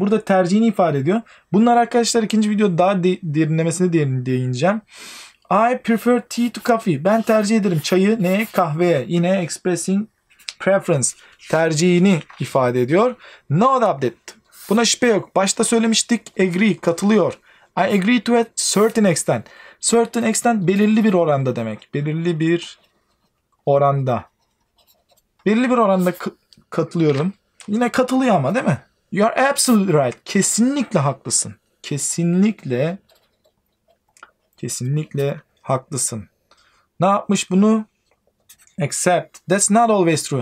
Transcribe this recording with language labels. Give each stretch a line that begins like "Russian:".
Turkish: Burada tercihini ifade ediyor. Bunlar arkadaşlar ikinci videoda daha derinlemesine değineceğim.
English: I prefer tea to coffee.
Turkish: Ben tercih ederim. Çayı neye? Kahveye. Yine expressing preference. Tercihini ifade ediyor. No doubt. Buna şüphe yok. Başta söylemiştik. Agree. Katılıyor.
English: I agree to a certain extent.
Turkish: Certain extent belirli bir oranda demek. Belirli bir oranda. Belirli bir oranda katılıyorum. Yine katılıyor ama değil mi?
English: You are absolutely right.
Turkish: Kesinlikle haklısın. Kesinlikle. Kesinlikle haklısın. Ne yapmış bunu?
English: Except that's not always true.